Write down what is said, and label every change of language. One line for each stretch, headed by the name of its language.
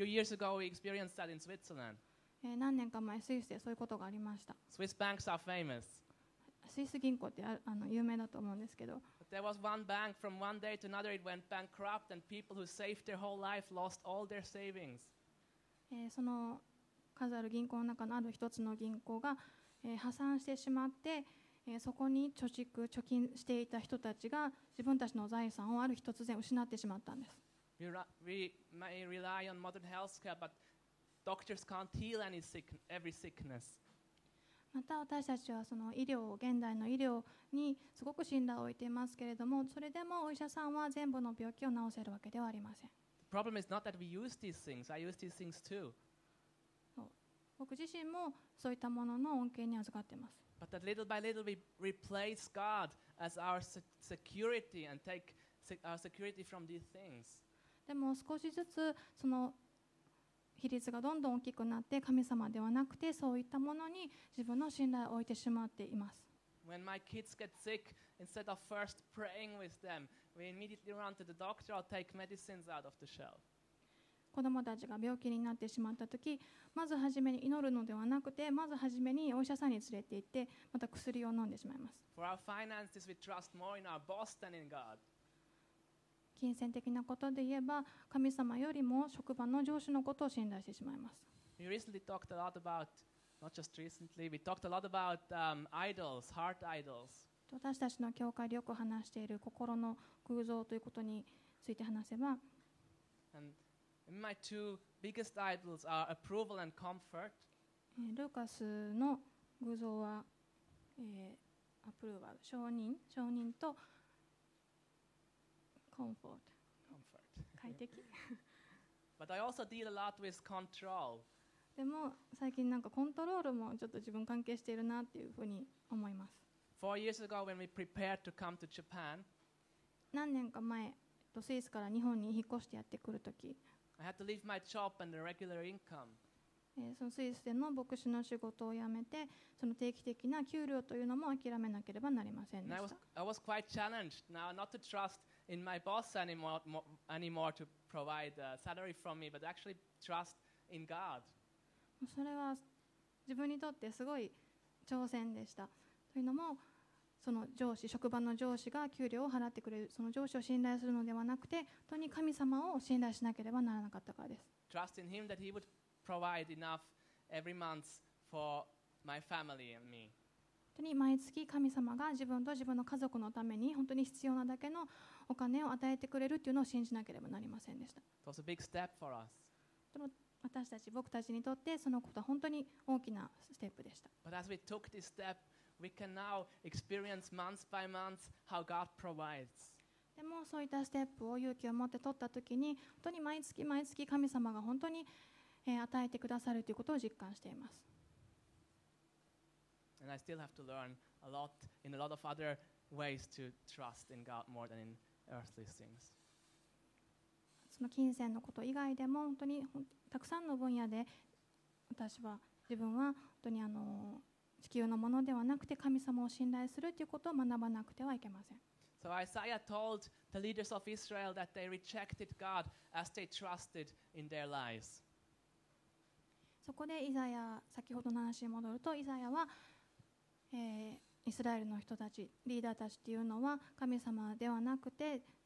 English: A few years ago, we experienced that in Switzerland.
Japanese: 何年か前スイスでそういうことがありました。
English: Swiss banks are famous.
Japanese: スイス銀行って有名だと思うんですけど。
English: But there was one bank from one day to another, it went bankrupt, and people who saved their whole life lost all their savings.
Japanese: その数ある銀行の中のある一つの銀行が、破産してしまって、そこに貯蓄貯金していた人たちが自分たちの財産をある日突然失ってしまったんです。
English: We may rely on modern healthcare, but doctors can't heal every sickness.
Japanese: また私たちはその医療現代の医療にすごく信頼を置いていますけれども、それでもお医者さんは全部の病気を治せるわけではありません。
English: Problem is not that we use these things. I use these things too.
Japanese: 僕自身もそういったものの恩恵に預かっています。
English: But that little by little we replace God as our security and take our security from these things.
Japanese: でも少しずつその比率がどんどん大きくなって、神様ではなくてそういったものに自分の信頼を置いてしまっています。
English: When my kids get sick, instead of first praying with them, we immediately run to the doctor or take medicines out of the shelf.
Japanese: 子どもたちが病気になってしまったとき、まずはじめに祈るのではなくて、まずはじめにお医者さんに連れて行って、また薬を飲んでしまいます。
English: For our finances, we trust more in our boss than in God.
Japanese: 金銭的なことで言えば、神様よりも職場の上司のことを信頼してしまいます。
English: We recently talked a lot about, not just recently, we talked a lot about idols, heart idols.
Japanese: 私たちの教会でよく話している心の偶像ということについて話せば、
English: My two biggest idols are approval and comfort.
Japanese: ルーカスの偶像は、アプローバル、承認とコンフォート。
English: Comfort.
Japanese: 快適。
English: But I also deal a lot with control.
Japanese: でも最近なんかコントロールもちょっと自分関係しているなっていうふうに思います。
English: Four years ago, when we prepared to come to Japan,
Japanese: 何年か前、スイスから日本に引っ越してやってくるとき。
English: I had to leave my job and a regular income.
Japanese: そのスイスでの牧師の仕事を辞めて、その定期的な給料というのも諦めなければなりませんでした。
English: I was quite challenged now not to trust in my boss anymore to provide a salary from me, but actually trust in God.
Japanese: それは自分にとってすごい挑戦でした。というのも、その上司、職場の上司が給料を払ってくれる、その上司を信頼するのではなくて、本当に神様を信頼しなければならなかったからです。
English: Trust in him that he would provide enough every month for my family and me.
Japanese: 本当に毎月神様が自分と自分の家族のために本当に必要なだけのお金を与えてくれるというのを信じなければなりませんでした。
English: It was a big step for us.
Japanese: 私たち、僕たちにとってそのことは本当に大きなステップでした。
English: But as we took this step,We can now experience month by month how God provides.
Japanese: でもそういったステップを勇気を持って取ったときに、本当に毎月毎月神様が本当に与えてくださるということを実感しています。
English: And I still have to learn a lot in a lot of other ways to trust in God more than in earthly things.
Japanese: その金銭のこと以外でも本当にたくさんの分野で私は自分は本当に地球のものではなくて神様を信頼するということを学ばなくてはいけません。
English: So Isaiah told the leaders of Israel that they rejected God as they trusted in their lies.
Japanese: そこでイザヤ、先ほどの話に戻ると、イザヤは、イスラエルの人たち、リーダーたちというのは神様ではなくて、